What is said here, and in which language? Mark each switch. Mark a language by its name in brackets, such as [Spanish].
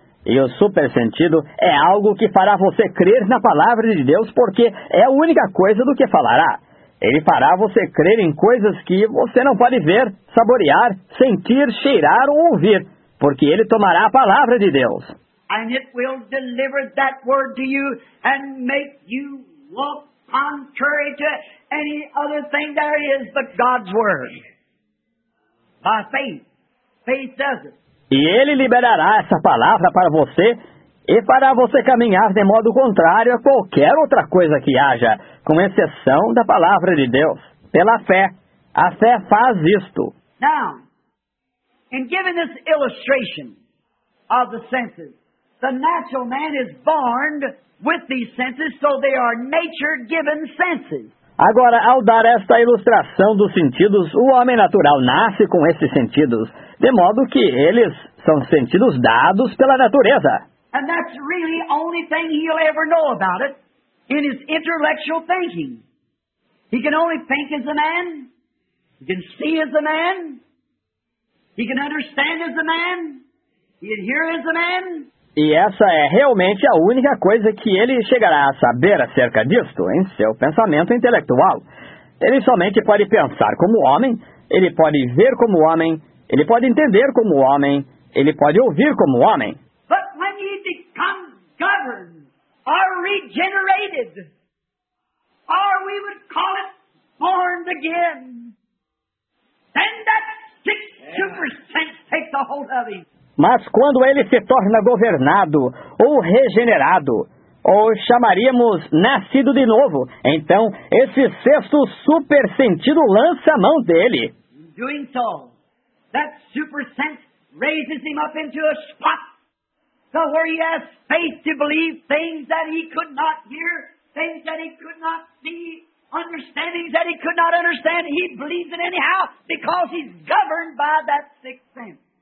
[Portuguese] E o super sentido é algo que fará você crer na palavra de Deus, porque é a única coisa do que falará. Ele fará você crer em coisas que você não pode ver, saborear, sentir, cheirar ou ouvir, porque ele tomará a palavra de Deus. [English] And it will deliver that word to you and make you look contrary to any other thing there is but God's word. By faith. Faith does it. [Portuguese] E ele liberará essa palavra para você e fará você caminhar de modo contrário a qualquer outra coisa que haja, com exceção da palavra de Deus. Pela fé. A fé faz isto. [English] Now, in giving this illustration of the senses, the natural man is born with these senses, so they are nature-given senses. [Portuguese] Agora, ao dar esta ilustração dos sentidos, o homem natural nasce com esses sentidos, de modo que eles são sentidos dados pela natureza. [English] And that's really the only thing he'll ever know about it in his intellectual thinking. He can only think as a man. He can see as a man. He can understand as a man. He can hear as a man. [Portuguese] E essa é realmente a única coisa que ele chegará a saber acerca disto em seu pensamento intelectual. Ele somente pode pensar como homem, ele pode ver como homem, ele pode entender como homem, ele pode ouvir como homem. [English] But when he becomes governed, or regenerated, or we would call it born again, then that sixth super-sense takes a hold of him. [Portuguese] Mas quando ele se torna governado, ou regenerado, ou chamaríamos nascido de novo, então esse sexto super sentido lança a mão dele. [English] Doing so, that super sense raises him up into a spot, so where he has faith to believe things that he could not hear, things that he could not see, understandings that he could not understand, he believes it anyhow, because he's governed by that sixth sense.